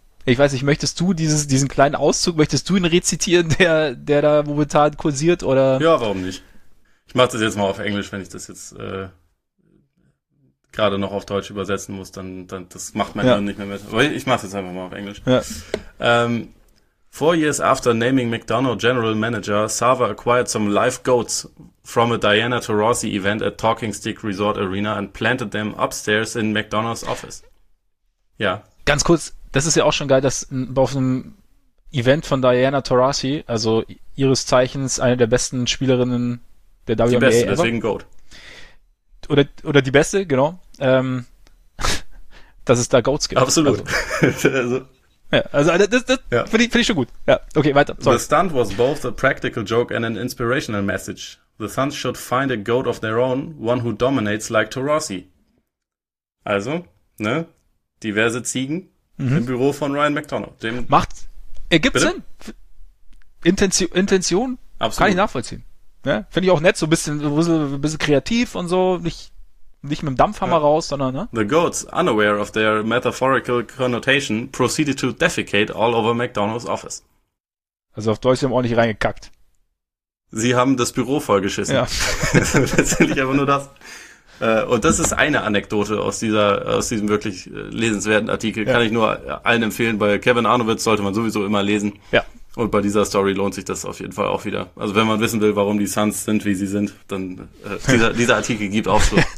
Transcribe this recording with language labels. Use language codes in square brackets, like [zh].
[de] Ich weiß nicht, möchtest du diesen kleinen Auszug, möchtest du ihn rezitieren, der da momentan kursiert, oder? Ja, warum nicht? Ich mach das jetzt mal auf Englisch, wenn ich das jetzt gerade noch auf Deutsch übersetzen muss, dann das macht mein Hirn nicht mehr mit. Aber ich mach's jetzt einfach mal auf Englisch. Ja. [en] 4 years after naming McDonough general manager, Sava acquired some live goats from a Diana Taurasi event at Talking Stick Resort Arena and planted them upstairs in McDonough's office. [de] Ja. Ganz kurz, das ist ja auch schon geil, dass auf einem Event von Diana Taurasi, also ihres Zeichens eine der besten Spielerinnen der WNBA. Die beste, deswegen GOAT. Oder die beste, genau. dass es da GOATs gibt. Absolut. Also, das finde ich schon gut. Ja, okay, weiter. [en] Sorry. The stunt was both a practical joke and an inspirational message. The Suns should find a GOAT of their own, one who dominates like Taurasi. [de] Also, ne? Diverse Ziegen im Büro von Ryan McDonough. Dem macht, ergibt Sinn. Intention absolut. Kann ich nachvollziehen. Ja, finde ich auch nett, so ein bisschen kreativ und so, nicht mit dem Dampfhammer raus, sondern, ne? [en] The goats, unaware of their metaphorical connotation, proceeded to defecate all over McDonough's office. [de] Also auf Deutsch haben ordentlich reingekackt. Sie haben das Büro vollgeschissen. Ja. Letztendlich einfach nur das. Und das ist eine Anekdote aus diesem wirklich lesenswerten Artikel. Ja. Kann ich nur allen empfehlen. Bei Kevin Arnowitz sollte man sowieso immer lesen. Ja. Und bei dieser Story lohnt sich das auf jeden Fall auch wieder. Also wenn man wissen will, warum die Suns sind, wie sie sind, dann dieser Artikel gibt auch so